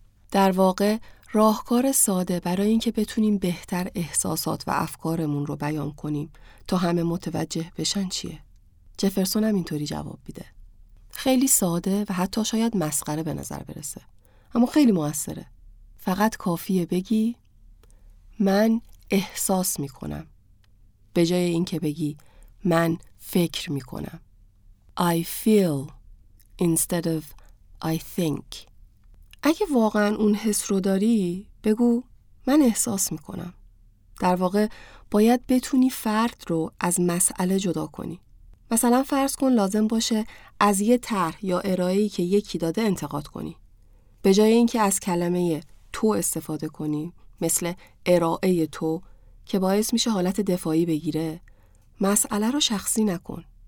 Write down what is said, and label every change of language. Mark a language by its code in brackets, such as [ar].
[fa] در واقع راهکار ساده برای اینکه بتونیم بهتر احساسات و افکارمون رو بیان کنیم تا همه متوجه بشن چیه؟ جفرسون هم اینطوری جواب میده. خیلی ساده و حتی شاید مسخره به نظر برسه، اما خیلی موثره. فقط کافیه بگی من احساس میکنم، به جای اینکه بگی من فکر میکنم. [en] I feel instead of I think. [fa] اگه واقعا اون حس رو داری بگو من احساس میکنم. در واقع باید بتونی فرد رو از مسئله جدا کنی. مثلا فرض کن لازم باشه از یه طرح یا ارائه‌ای که یکی داده انتقاد کنی. به جای اینکه از کلمه تو استفاده کنی مثل ارائه تو که باعث میشه حالت دفاعی بگیره، مسئله رو شخصی نکن.